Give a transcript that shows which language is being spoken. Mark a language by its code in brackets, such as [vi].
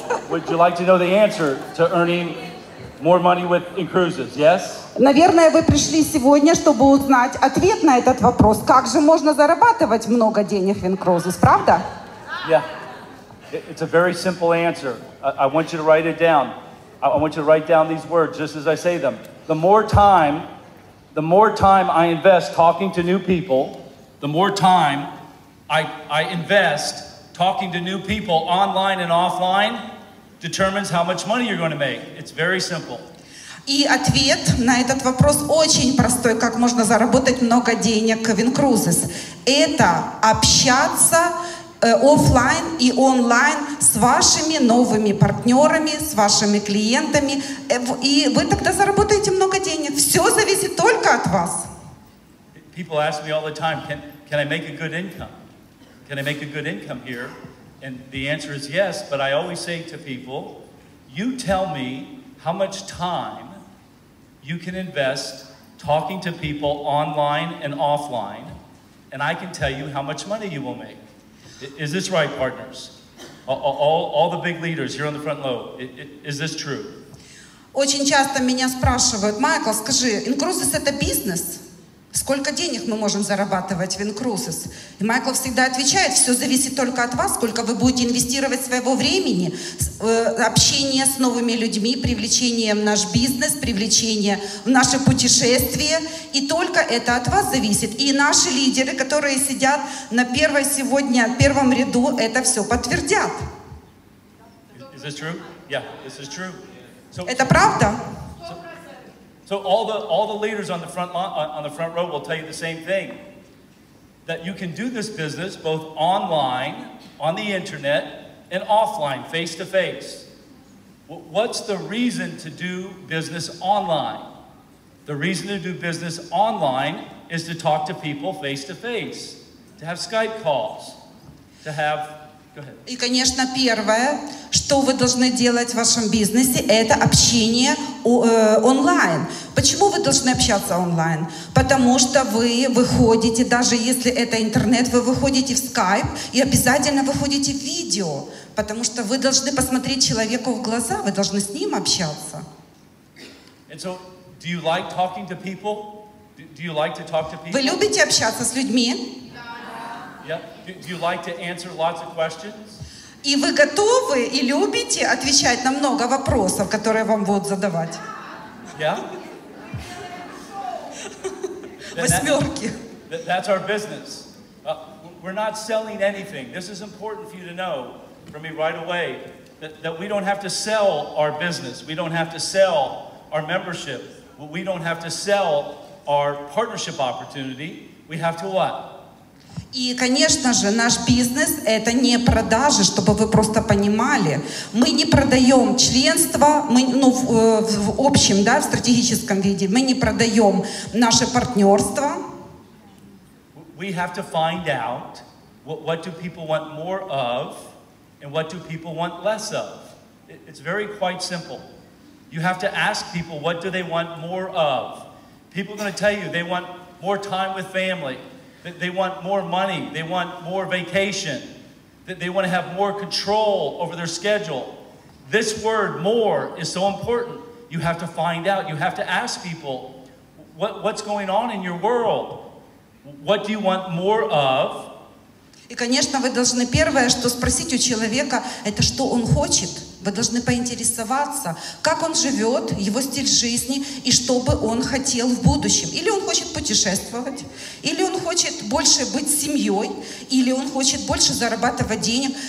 [en] Would you like to know the answer to earning More money with in cruises, yes? [ru] Наверное, вы пришли сегодня, чтобы узнать ответ на этот вопрос. Как же можно зарабатывать много денег в Incruises, правда? [en] Yeah. It's a very simple answer. I want you to write it down. I want you to write down these words just as I say them. The more time I invest talking to new people, the more time I invest talking to new people online and offline determines how much money you're going to make. It's very simple. [ru] И ответ на этот вопрос очень простой. Как можно заработать много денег в Incruises? Это общаться офлайн и онлайн с вашими новыми партнерами, с вашими клиентами. И вы тогда заработаете много денег. Все зависит только от вас. [en] People ask me all the time, can I make a good income? Can I make a good income here? And the answer is yes, but I always say to people, you tell me how much time you can invest talking to people online and offline, and I can tell you how much money you will make. Is this right, partners? All the big leaders here on the front row, is this true? [ru] Очень часто меня спрашивают, Майкл, скажи, Incruises это бизнес? Сколько денег мы можем зарабатывать в Incruises? И Майкл всегда отвечает, все зависит только от вас, сколько вы будете инвестировать своего времени, общение с новыми людьми, привлечение в наш бизнес, привлечение в наше путешествие. И только это от вас зависит. И наши лидеры, которые сидят на первой сегодня, первом ряду, это все подтвердят. [en] Is this true? Yeah, this is true. [ru] Это правда? [en] So all the leaders on the front row will tell you the same thing, that you can do this business both online, on the internet, and offline, face to face. What's the reason to do business online? The reason to do business online is to talk to people face to face, to have Skype calls, to have. Go ahead. [ru] И, конечно, первое, что вы должны делать в вашем бизнесе, это общение онлайн. Почему вы должны общаться онлайн? Потому что вы выходите, даже если это интернет, вы выходите в Skype и обязательно выходите в видео, потому что вы должны посмотреть человеку в глаза, вы должны с ним общаться. [en] And so, do you like talking to people? Do you like to talk to people? [ru] Вы любите общаться с людьми? [en] Yeah. Do you like to answer lots of questions? [ru] И вы готовы и любите отвечать на много вопросов, которые вам будут задавать? [en] Yeah. [ru] Восьмерки. [en] That's our business. We're not selling anything. This is important for you to know for me right away that we don't have to sell our business. We don't have to sell our membership. We don't have to sell our partnership opportunity. We have to what? [ru] И, конечно же, наш бизнес — это не продажи, чтобы вы просто понимали. Мы не продаем членство, в общем, да, в стратегическом виде. Мы не продаем наше партнерство. [en] We have to find out what do people want more of and what do people want less of. It's very quite simple. You have to ask people what do they want more of. People are going to tell you they want more time with family. They want more money, they want more vacation, they want to have more control over their schedule. This word, more, is so important. You have to find out, you have to ask people, what's going on in your world? What do you want more of? [ru] И, конечно, вы должны первое, что спросить у человека, это что он хочет. Вы должны поинтересоваться, как он живет, его стиль жизни, и что бы он хотел в будущем. Или он хочет путешествовать, или он хочет больше быть с семьей, или он хочет больше зарабатывать денег.